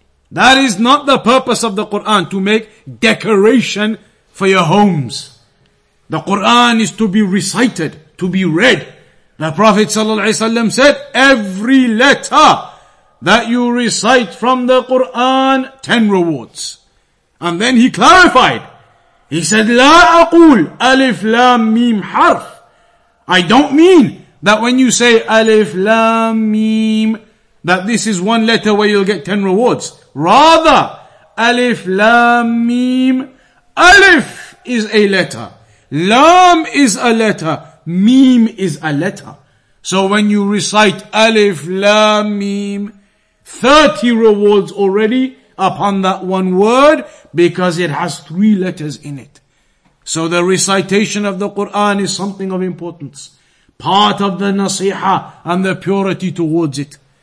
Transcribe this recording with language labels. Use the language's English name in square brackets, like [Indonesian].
[English] That is not the purpose of the Quran, to make decoration for your homes. The Quran is to be recited, to be read. The Prophet ﷺ said, every letter that you recite from the Quran, 10 rewards. And then he clarified. He said, [Arabic] لا أقول ألف لام ميم حرف. [English] I don't mean that when you say [Arabic] ألف لام ميم, [English] that this is one letter where you'll get 10 rewards. Rather, ألف لام ميم. ألف is a letter. لام is a letter. Meem is a letter. So when you recite Alif, Lam, Meem, 30 rewards already upon that one word, because it has three letters in it. So the recitation of the Quran is something of importance, part of the nasiha and the purity towards it.